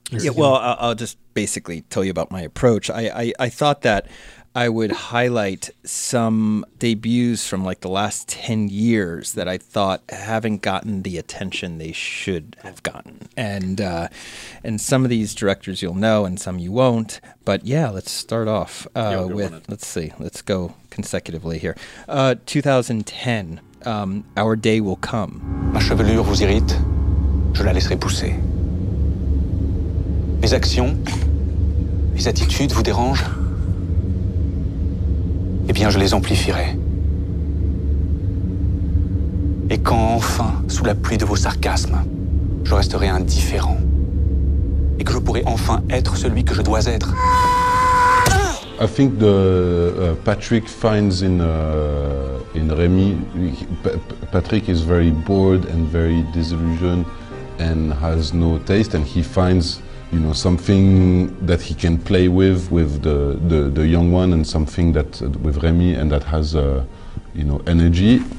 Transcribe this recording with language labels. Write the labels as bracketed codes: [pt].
[en] Well, I'll just basically tell you about my approach. I thought that I would highlight some debuts from like the last 10 years that I thought haven't gotten the attention they should have gotten. And some of these directors you'll know and some you won't. But yeah, let's start off let's go consecutively here. 2010, Our Day Will Come. [fr] Ma chevelure vous irrite, je la laisserai pousser. Mes actions, mes attitudes vous dérangent? Eh bien, je les amplifierai. Et quand enfin, sous la pluie de vos sarcasmes, je resterai indifférent, et que je pourrai enfin être celui que je dois être. [en] I think the Patrick finds in Rémy, Patrick is very bored and very disillusioned and has no taste, and he finds, you know, something that he can play with the young one, and something that with Rémy, and that has you know, energy.